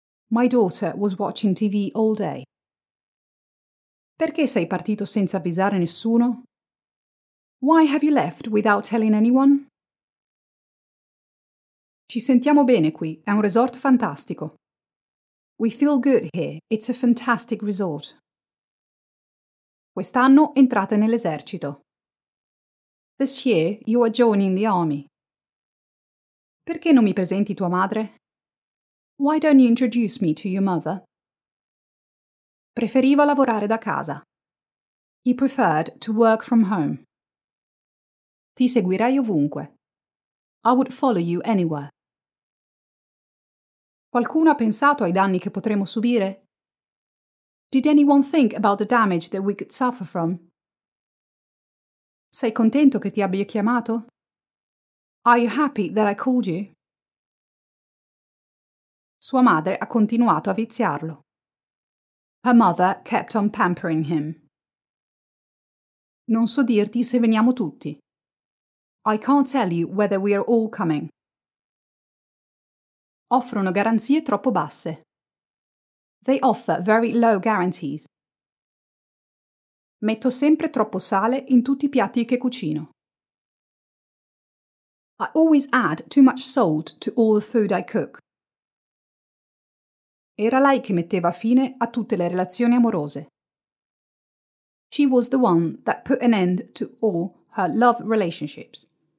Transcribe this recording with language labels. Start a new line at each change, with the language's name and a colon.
English: My daughter was watching TV all day.
Italian: Perché sei partito senza avvisare nessuno?
English: Why have you left without telling anyone?
Italian: Ci sentiamo bene qui, è un resort fantastico.
English: We feel good here, it's a fantastic resort.
Italian: Quest'anno entrate nell'esercito.
English: This year you are joining the army.
Italian: Perché non mi presenti tua madre?
English: Why don't you introduce me to your mother?
Italian: Preferiva lavorare da casa.
English: He preferred to work from home.
Italian: Ti seguirei ovunque.
English: I would follow you anywhere.
Italian: Qualcuno ha pensato ai danni che potremmo subire?
English: Did anyone think about the damage that we could suffer from?
Italian: Sei contento che ti abbia chiamato?
English: Are you happy that I called you?
Italian: Sua madre ha continuato a viziarlo.
English: Her mother kept on pampering him.
Italian: Non so dirti se veniamo tutti.
English: I can't tell you whether we are all coming.
Italian: Offrono garanzie troppo basse.
English: They offer very low guarantees.
Italian: Metto sempre troppo sale in tutti i piatti che cucino.
English: I always add too much salt to all the food I cook.
Italian: Era lei che metteva fine a tutte le relazioni amorose.
English: She was the one that put an end to all her love relationships.